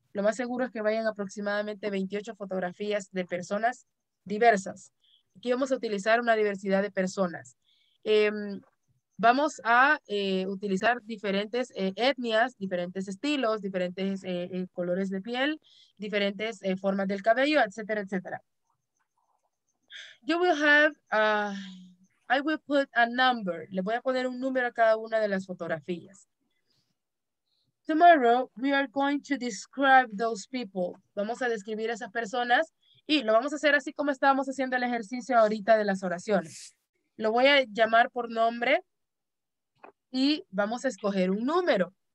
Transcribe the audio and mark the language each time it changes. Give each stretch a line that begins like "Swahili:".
Spanish: Lo más seguro es que vayan aproximadamente 28 fotografías de personas diversas. Aquí vamos a utilizar una diversidad de personas. Vamos a utilizar diferentes etnias, diferentes estilos, diferentes colores de piel, diferentes formas del cabello, etcétera, etcétera.
English: You will have, I will put a number.
Spanish: Le voy a poner un número a cada una de las fotografías.
English: Tomorrow, we are going to describe those people.
Spanish: Vamos a describir a esas personas y lo vamos a hacer así como estábamos haciendo el ejercicio ahorita de las oraciones. Lo voy a llamar por nombre y vamos a escoger un número.